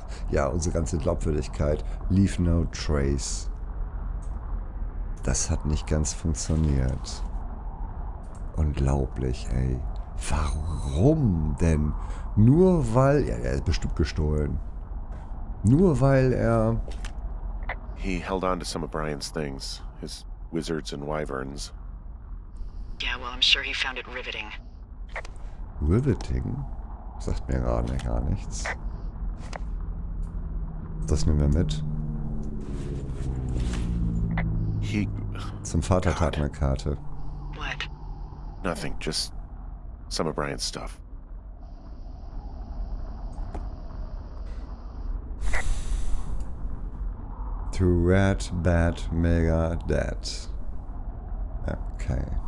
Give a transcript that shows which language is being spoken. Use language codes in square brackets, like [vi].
[de] Ja, unsere ganze Glaubwürdigkeit. [en] Leave no trace. [de] Das hat nicht ganz funktioniert. Unglaublich, ey. Warum denn? Nur weil... Ja, er ist bestimmt gestohlen. Nur weil er... [en] He held on to some of Brian's things. His wizards and wyverns. Yeah, well, I'm sure he found it riveting. Riveting? [de] Sagt mir gerade gar nichts. Das nehmen wir mit. [en] He... [de] Zum Vatertag eine Karte. [en] What? Nothing, just some of Brian's stuff. To Red Bat Mega Dead. Okay.